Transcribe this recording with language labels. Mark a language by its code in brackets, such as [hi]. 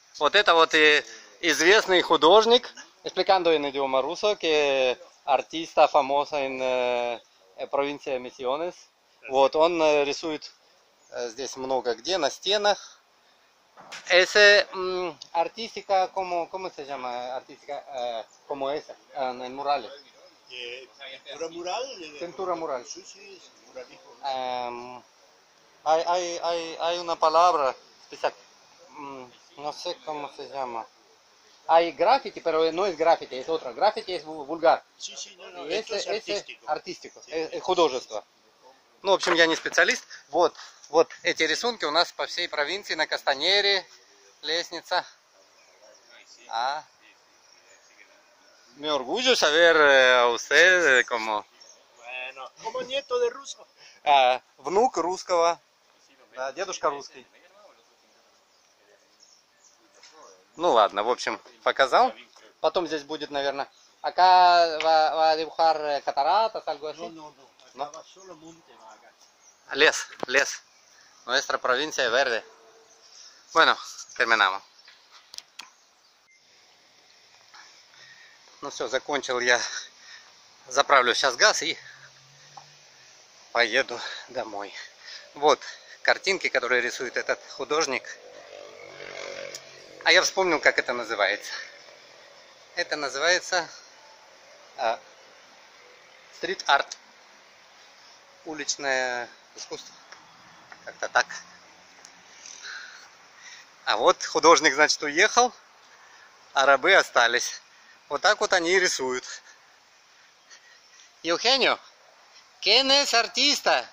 [ru] Вот это вот и известный художник, [es] explicando en idioma ruso, que artista famoso en provincia Misiones. [ru] Вот, он рисует здесь много где, на стенах. [es] Ese artística, ¿cómo se llama? Artística, ¿cómo es? En el mural. ¿Pintura mural? Pintura mural. Sí, sí, muralismo. Hay una palabra especial. No sé cómo se llama. Hay graffiti, pero no es graffiti, es otra. Graffiti es vulgar. Sí, sí, no, no, esto es artístico. Artístico, sí, художество. [ru] Ну, в общем, я не специалист. Вот эти рисунки у нас по всей провинции, на Кастанере, лестница. [es] А? Me orgullo saber a usted como... Bueno, como nieto de ruso. [ru] Внук русского. Да, дедушка русский. Ну ладно, в общем, показал. Потом здесь будет, наверное... [es] Acá va a dibujar cataratas, algo así. No. Acá va solo monte, va acá. Лес. Nuestra provincia es verde. Bueno, terminamos. [ru] Ну все, закончил я. Заправлю сейчас газ и поеду домой. Вот картинки, которые рисует этот художник. А я вспомнил, как это называется. Это называется стрит арт. Уличное искусство. Как-то так. А вот художник, значит, уехал, а рабы остались. Вот так вот они и рисуют. [es] Евгенио, ¿quién es artista?